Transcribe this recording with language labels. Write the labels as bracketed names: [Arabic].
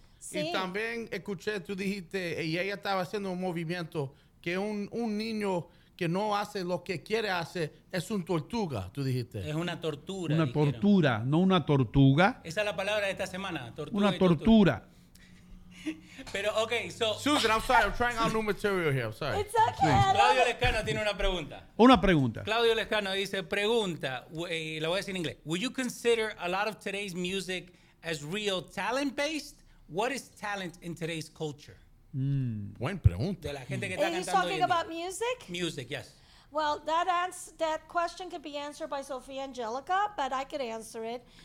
[Spanish] Sí. Y también escuché, tú dijiste, y ella estaba haciendo un movimiento, que un niño que no hace lo que quiere hacer es un tortuga, tú dijiste. Es una tortura. Una tortura, no una tortuga. Esa es la palabra de esta semana, tortuga. Una tortura. [English] Pero, okay, so. Susan, I'm sorry, I'm trying out new material here, I'm sorry. It's okay. Sí. [Spanish] Claudio Lescano tiene una pregunta. Una pregunta. Claudio Lescano dice, pregunta, y la voy a decir en inglés. [English] Would you consider a lot of today's music as real talent-based? What is talent in today's culture? [Spanish] Buen pregunta. De la gente que está cantando. [English] Are you talking about music? Music, yes. Well, that question could be answered by Sofia Angelica, but I could answer it.